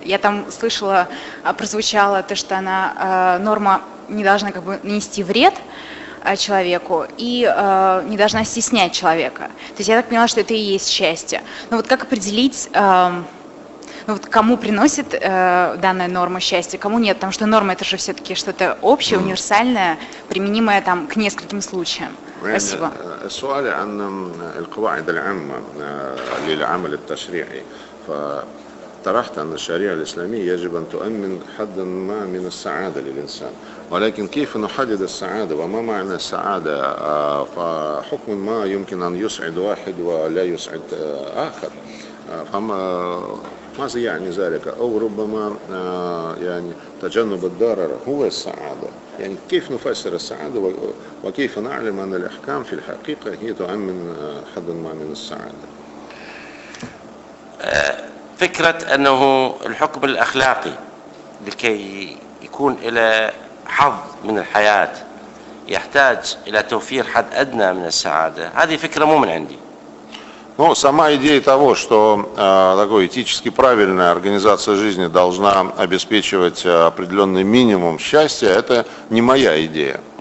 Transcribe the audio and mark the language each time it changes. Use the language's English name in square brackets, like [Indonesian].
[Russian] Я там слышала, прозвучало то, что она, норма не должна как бы нанести вред человеку и не должна стеснять человека. То есть я так поняла, что это и есть счастье. Но вот как определить, ну вот кому приносит данная норма счастье, кому нет? Потому что норма — это же все-таки что-то общее, универсальное, применимое там к нескольким случаям. [Arabic] يعني السؤال عن القواعد العامة للعمل التشريعي فطرحت أن الشريعة الإسلامية يجب أن تؤمن حدا ما من السعادة للإنسان ولكن كيف نحدد السعادة وما معنى السعادة فحكم ما يمكن أن يسعد واحد ولا يسعد آخر فما ماذا يعني ذلك أو ربما يعني تجنب الضرر هو السعادة يعني كيف نفسر السعادة وكيف نعلم أن الأحكام في الحقيقة هي تؤمن حد ما من السعادة فكرة أنه الحكم الأخلاقي لكي يكون إلى حظ من الحياة يحتاج إلى توفير حد أدنى من السعادة هذه فكرة مو من عندي. [Russian] Ну, сама идея того, что такой этически правильная организация жизни должна обеспечивать определенный минимум счастья, это не моя идея.